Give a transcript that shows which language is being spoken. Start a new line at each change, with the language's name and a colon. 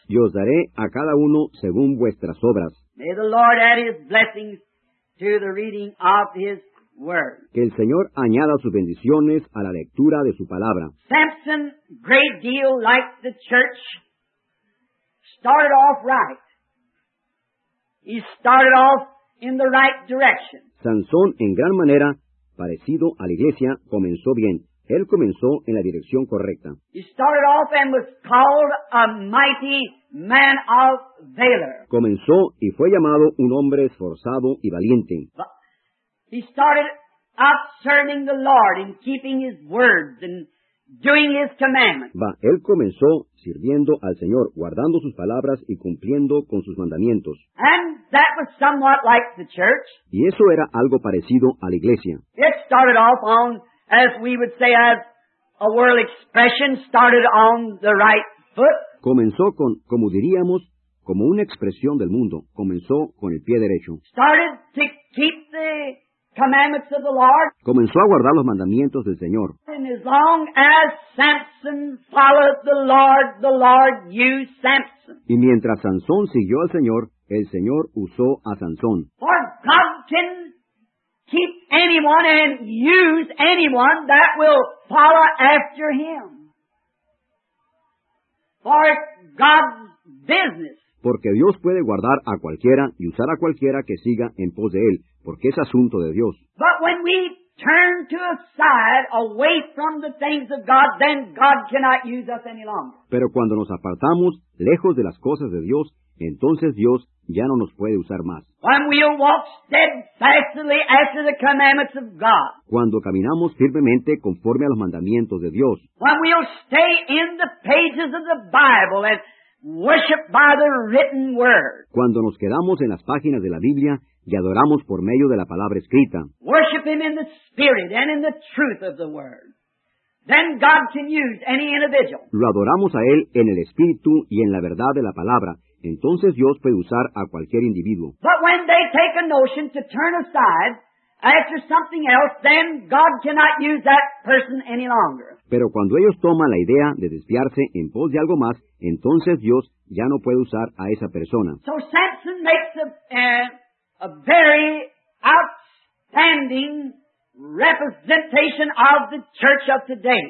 Spanish: Y os daré a cada uno según vuestras obras.
English: May the Lord add his blessings to the reading of his word.
Spanish: Que el Señor añada sus bendiciones a la lectura de su palabra.
English: Samson, great deal like the church, started off right. He started off in the right direction.
Spanish: Sansón, en gran manera, parecido a la iglesia, comenzó bien. Él comenzó en la dirección correcta.
English: He started off and was called a mighty man of valor.
Spanish: Comenzó y fue llamado un hombre esforzado y valiente.
English: He started up serving the Lord and keeping his words and doing his commandments.
Spanish: Va, él comenzó sirviendo al Señor, guardando sus palabras y cumpliendo con sus mandamientos.
English: And that was somewhat like the church.
Spanish: Y eso era algo parecido a la iglesia.
English: It started off on, as we would say, as a world expression, started on the right foot.
Spanish: Comenzó con, como diríamos, como una expresión del mundo. Comenzó con el pie derecho.
English: Started to keep the commandments of the Lord.
Spanish: Comenzó a guardar los mandamientos del Señor.
English: And as long as Samson followed the Lord used Samson.
Spanish: Y mientras Sansón siguió al Señor, el Señor usó a Sansón.
English: For God can keep anyone and use anyone that will follow after him. For God's business.
Spanish: Porque Dios puede guardar a cualquiera y usar a cualquiera que siga en pos de él, porque es asunto de Dios.
English: But when we turn to aside away from the things of God, then God cannot use us any longer.
Spanish: Pero cuando nos apartamos lejos de las cosas de Dios, entonces Dios ya no nos puede usar más.
English: When we walk steadfastly after the commandments of God.
Spanish: Cuando caminamos firmemente conforme a los mandamientos de Dios.
English: When we stay in the pages of the Bible and worship by the written word.
Spanish: Cuando nos quedamos en las páginas de la Biblia y adoramos por medio de la palabra escrita.
English: Worship him in the spirit and in the truth of the word. Then God can use any individual.
Spanish: Lo adoramos a él en el espíritu y en la verdad de la palabra. Entonces Dios puede usar a cualquier individuo.
English: But when they take a notion to turn aside after something else, then God cannot use that person any longer.
Spanish: Pero cuando ellos toman la idea de desviarse en pos de algo más, entonces Dios ya no puede usar a esa persona.
English: So Samson makes a very outstanding standing representation of the church of today.